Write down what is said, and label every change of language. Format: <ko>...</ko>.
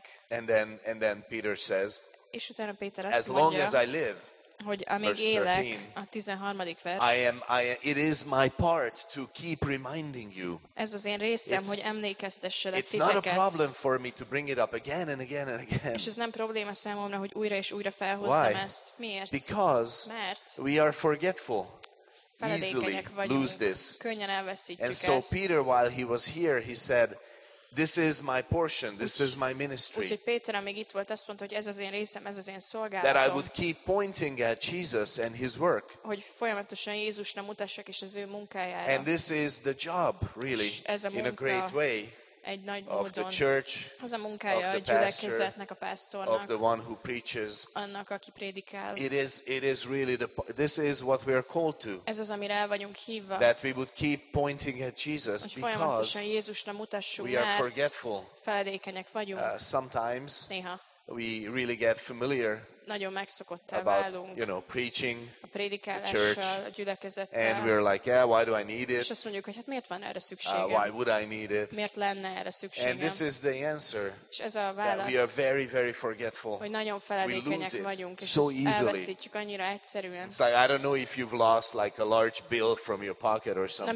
<en>And then Peter says, as long as I live,</en> <hu>hogy amíg élek, a 13. vers.</hu> <en>It is my part to keep reminding you.</en> <hu>Ez az én részem, hogy emlékeztesselek titeket.</hu> <en>It's not a problem for me to bring it up again and again and again.</en> <hu>És ez nem probléma számomra, hogy újra és újra felhozzam.</hu> <en>Why?</en> <hu>Ezt. Miért?</hu> <en>Because</en> <hu>mert</hu> <en>we are forgetful. Easily lose this.</en> <hu>Könnyen elveszítjük ezt.</hu> <en>And so Peter, while he was here, he said, this is my portion, this is my ministry.</en> <hu>Úgyhogy Péter, amíg itt volt, azt mondta, hogy ez az én részem, ez az én szolgálatom.</hu> <en>That I would keep pointing at Jesus and his work.</en> <hu>Hogy folyamatosan Jézusra mutassak és az ő munkájára.</hu> <en>And this is the job, really, in a great way.</en> <hu>Egy nagy módon.</hu> <en>Of the church,</en> <hu>az a munkája a gyülekezetnek, a pásztornak.</hu> <en>Of the one who preaches.</en> <hu>Annak, aki prédikál.</hu> <en>It is really the this is what we are called to.</en> <hu>Ez az, amire el vagyunk hívva.</hu> <en>That we would keep pointing at Jesus because</en> <hu>folyamatosan Jézusra mutassuk,</hu> <en>we are forgetful.</en> <hu>Feledékenyek vagyunk.</hu> <en>Sometimes</en> <hu>néha</hu> <en>we really get familiar</en> <hu>nagyon megszokottá</hu> <en>about,</en> <hu>válunk,</hu> <en>you know, preaching</en> <hu>a prédikálással,</hu> <en>the church,</en> <hu>a gyülekezettel.</hu> <en>And we're like, yeah, why do I need it?</en> <hu>És azt mondjuk, hogy hát miért van erre szükségem?</hu> <en>Why would I need it?</en> <hu>Miért lenne erre szükségem?</hu> <en>And this is the answer.</en> <hu>És ez a válasz,</hu> <en>that we are very, very forgetful.</en> <hu>Hogy nagyon feledékenyek vagyunk, és</hu> <en>so</en> <hu>ezt</hu> <en>easily</en> <hu>elveszítjük annyira egyszerűen.</hu> <en>It's like, I don't know if you've lost like a large bill from your pocket or something.</en>